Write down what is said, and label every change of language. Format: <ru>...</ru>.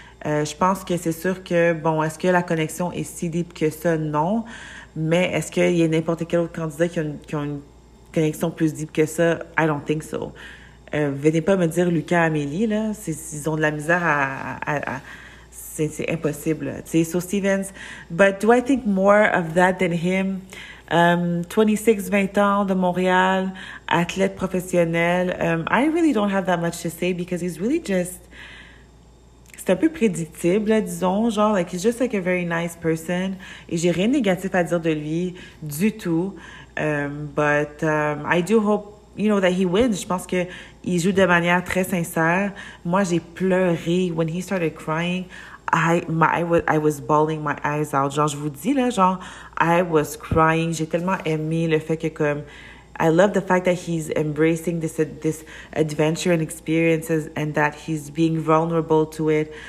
<fr>Je pense que c'est sûr que, bon, est-ce que la connexion est si deep que ça? Non. Mais est-ce qu'il y a n'importe quel autre candidat qui a une connexion plus deep que ça?</fr> <en>I don't think so.</en> <fr>Venez pas me dire Lucas et Amélie, là. Ils ont de la misère c'est impossible. Tu sais, so Stevens.</fr> <en>But do I think more of that than him?</en> <fr>26, 20 ans, de Montréal, athlète professionnel.</fr> <en>I really don't have that much to say because he's really just...</en> <fr>C'est un peu prédictible, disons, genre,</fr> <en>like, he's just like a very nice person.</en> <fr>Et j'ai rien de négatif à dire de lui, du tout.</fr> <en>But I do hope, you know, that he wins.</en> <fr>Je pense qu'il joue de manière très sincère. Moi, j'ai pleuré.</fr> <en>When he started crying, I was bawling my eyes out.</en> <fr>Genre, je vous dis, là, genre,</fr> <en>I was crying.</en> <fr>J'ai tellement aimé le fait que, comme,</fr> <en>I love the fact that he's embracing this adventure and experiences and that he's being vulnerable to it.</en>